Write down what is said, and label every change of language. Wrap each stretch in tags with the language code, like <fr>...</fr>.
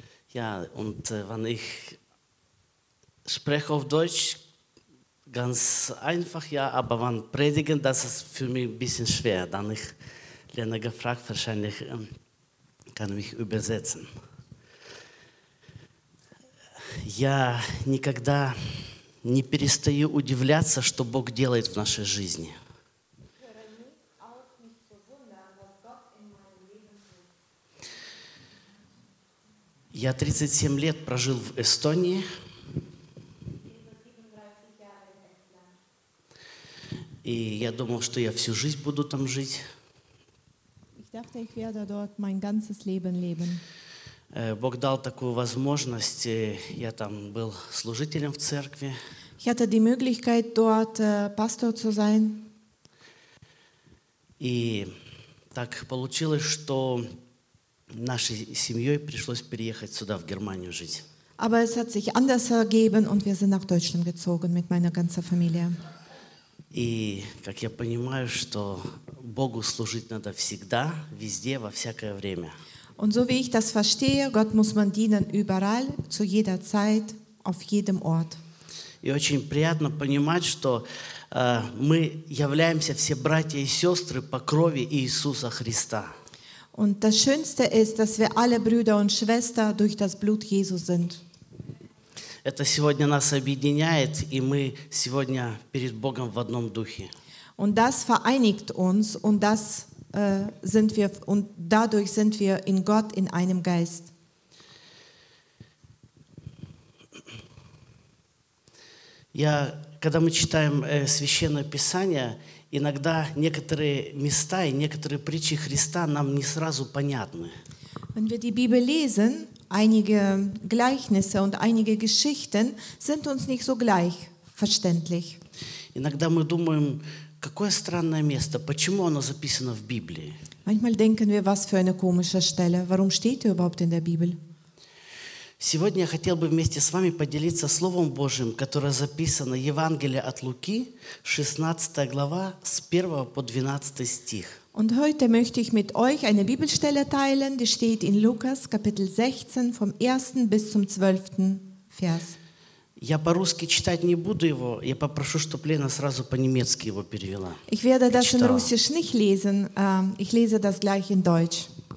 <de>Ja, und wenn ich spreche auf Deutsch, ganz einfach, ja, aber wenn predigen, das ist für mich ein bisschen schwer. Dann ich lerne gefragt, wahrscheinlich kann ich mich übersetzen.</de> <ru>Я никогда не перестаю удивляться, что Бог делает в нашей жизни. Я 37 лет прожил в Эстонии. И я думал, что я всю жизнь буду там жить. Бог дал такую возможность, я там был служителем в церкви.</ru> <de>Ich hatte die Möglichkeit, dort Pastor zu sein.</de> <ru>И так получилось, что нашей семьей пришлось переехать сюда, в Германию, жить.</ru> <de>Aber es hat sich anders ergeben und wir sind nach Deutschland gezogen mit meiner ganzen Familie.</de> <ru>И как я понимаю, что Богу служить надо всегда, везде, во всякое время.</ru> <de>Und so wie ich das verstehe, Gott muss man dienen überall, zu jeder Zeit, auf jedem Ort.</de> <ru>И очень приятно понимать, что мы являемся все братья и сестры по крови Иисуса Христа.</ru> <de>Und das Schönste ist, dass wir alle Brüder und Schwestern durch das Blut Jesu sind.</de> <ru>Это сегодня нас объединяет, и мы сегодня перед Богом в одном духе.</ru> <de>Und das vereinigt uns und das sind wir und dadurch sind wir in Gott in einem Geist.</de> <ru>Я, когда мы читаем Священное Писание, иногда некоторые места и некоторые притчи Христа нам не сразу понятны.</ru> <de>Wenn wir die Bibel lesen, einige Gleichnisse und einige Geschichten sind uns nicht so gleich verständlich.</de> <ru>Иногда мы думаем, какое странное место, почему оно записано в Библии?</ru> <de>Manchmal denken wir, was für eine komische Stelle, warum steht die überhaupt in der Bibel?</de> <ru>Сегодня я хотел бы вместе с вами поделиться Словом Божьим, которое записано в Евангелии от Луки, 16 глава, с 1 по 12 стих.</ru> <de>Und heute möchte ich mit euch eine Bibelstelle teilen, die steht in Lukas, Kapitel 16, vom 1. bis zum 12. Vers.</de> <ru>Я по-русски читать не буду его, я попрошу, чтобы Лена сразу по-немецки его перевела.</ru> <de>Ich werde das in Russisch nicht lesen, ich lese das gleich in Deutsch.</de>